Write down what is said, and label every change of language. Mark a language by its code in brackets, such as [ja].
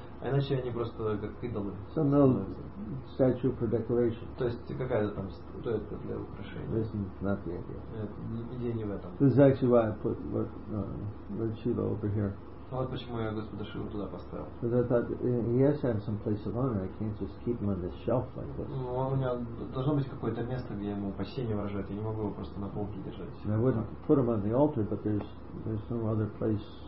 [ru] А иначе они просто как идолы. [en] Some statue for decoration. [ru] То есть какая-то там статуэтка для украшения. [en] This is not the idea. [ru] Идея не в этом. [en] This is actually why I put Lord Shiva over here. [ru] Вот почему я Господа Шиву туда поставил. [en] Because I thought he has to have some place of honor. I can't just keep him on the shelf like this. [ru] Ну, у меня должно быть какое-то место, где ему почтение выражать. Я не могу его просто на полке держать. [en] And I wouldn't put him on the altar, but there's no other place.